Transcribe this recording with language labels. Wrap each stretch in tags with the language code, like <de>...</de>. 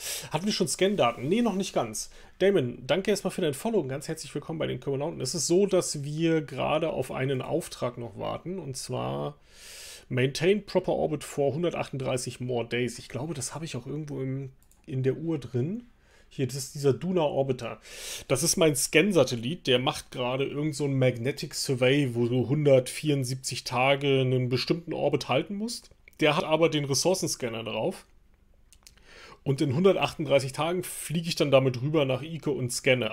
<de>Hatten wir schon Scan-Daten? Nee, noch nicht ganz. Damon, danke erstmal für dein Follow. Ganz herzlich willkommen bei den Kubernauten. Es ist so, dass wir gerade auf einen Auftrag noch warten. Und zwar...</de> <en>Maintain proper orbit for 138 more days.</en> <de>Ich glaube, das habe ich auch irgendwo im... in der Uhr drin. Hier, das ist dieser Duna Orbiter. Das ist mein Scan-Satellit, der macht gerade irgend so ein Magnetic Survey, wo du 174 Tage einen bestimmten Orbit halten musst. Der hat aber den Ressourcenscanner drauf. Und in 138 Tagen fliege ich dann damit rüber nach Ike und scanne.</de>